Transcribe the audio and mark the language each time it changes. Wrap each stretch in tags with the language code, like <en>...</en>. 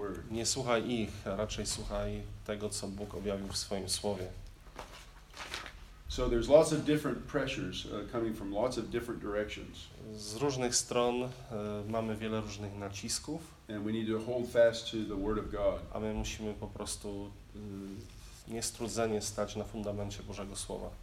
<pl>Nie słuchaj ich, a raczej słuchaj tego, co Bóg objawił w swoim słowie.</pl> <en>So there's lots of different pressures coming from lots of different directions.</en> <pl>Z różnych stron mamy wiele różnych nacisków.</pl> <en>And we need to hold fast to the word of God.</en> <pl>A my musimy po prostu niestrudzenie stać na fundamencie Bożego słowa.</pl>